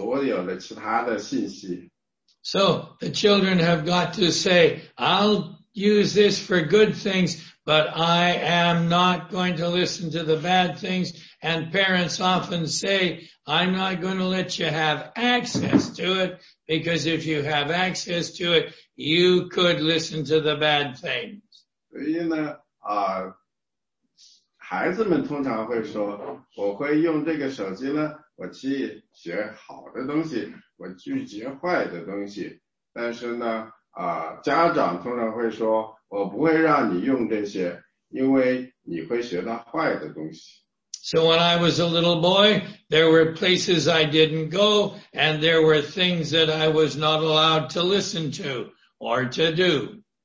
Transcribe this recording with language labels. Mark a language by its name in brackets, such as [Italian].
[Chinese] 所以我们中间很多人都有手机，它给我们呢，可以去看到所有的其他的信息。 [English] So the children have got to say, I'll use this for good things, but I am not going to listen to the bad things. And parents often say, I'm not going to let you have access to it, because if you have access to it, you could listen to the bad things. [Chinese] 所以呢，孩子们通常会说，我会用这个手机呢，我去学好的东西，我拒绝坏的东西。但是呢，家长通常会说，我不会让你用这些，因为你会学到坏的东西。 [English] So when I was a little boy, there were places I didn't go, and there were things that I was not allowed to listen to or to do.